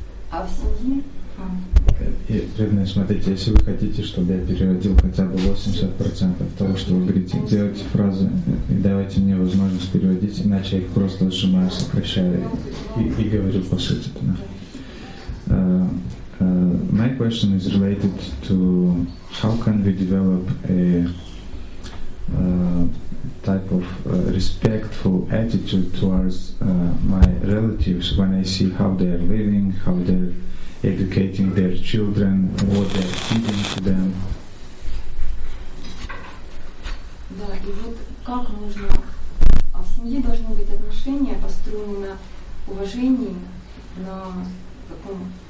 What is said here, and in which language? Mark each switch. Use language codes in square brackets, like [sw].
[ru] А в семье... И, преданные, смотрите, если вы хотите, чтобы я переводил хотя бы 80% того, что вы говорите, делайте фразы и давайте мне возможность переводить, иначе я их просто сжимаю, сокращаю и говорю по сути. [en] My question is related to how can we develop a type of respectful attitude towards my relatives when I see how they are living, how they are educating their children, what they are feeding to them. [ru] Да, и вот как нужно... А в семье должны быть отношения, построенные на уважении, на таком...